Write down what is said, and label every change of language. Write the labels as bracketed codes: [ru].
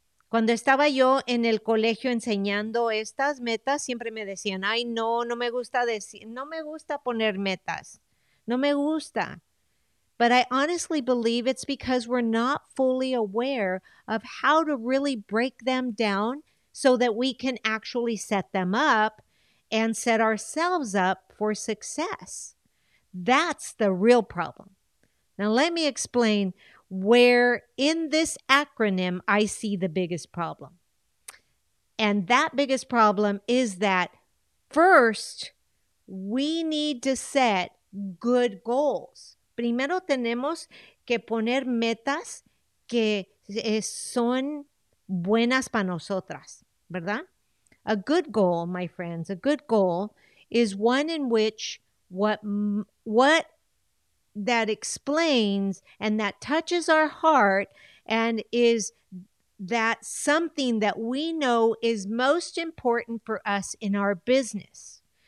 [es] Cuando estaba yo en el colegio enseñando estas metas, siempre me decían, ay, no me gusta poner metas. No me gusta. [en] But I honestly believe it's because we're not fully aware of how to really break them down so that we can actually set them up and set ourselves up for success. That's the real problem. Now, let me explain where in this acronym I see the biggest problem. And that biggest problem is that first, we need to set good goals. [es] Primero tenemos que poner metas que son buenas para nosotras, ¿verdad? [en] A good goal, my friends, a good goal is one in which what that explains and that touches our heart and is that something that we know is most important for us in our business.